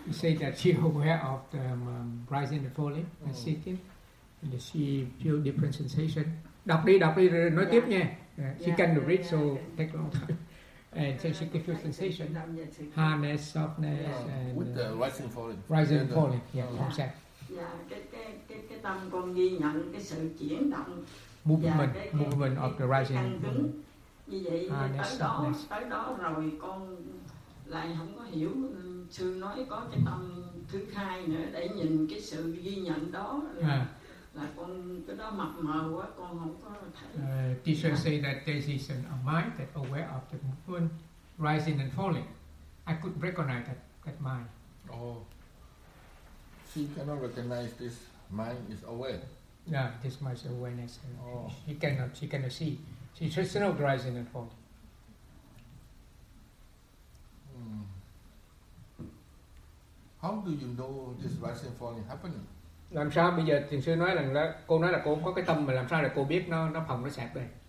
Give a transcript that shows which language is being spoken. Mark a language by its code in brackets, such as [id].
[en] You say that she aware of the rising and falling and sitting, and she feel different sensation. [vi] Đọc đi rồi nói tiếp nha. [en] She can't read, so take long time. And so she can feel sensation, hardness, softness, and with the rising and falling. Rising and falling. Yeah. [vi] Cái tâm con ghi nhận cái sự chuyển động. [en] Movement of the rising. [vi] Như vậy tới đó rồi con lại không có hiểu sư nói có cái tâm thứ hai nữa để nhìn cái sự ghi nhận đó là con cái đó mập mờ quá con không có thấy. [en] Teacher say that there is a mind that aware of the movement rising and falling. I could recognize that mind. Oh, she cannot recognize this mind is aware. Yeah, this mind is awareness. And she cannot see. She just knows rising and falling. How do you know this rising and falling happening? [vi] Làm sao bây giờ thiền sư nói rằng là cô nói là cô có cái tâm mà làm sao để cô biết nó phòng nó sẹp đây?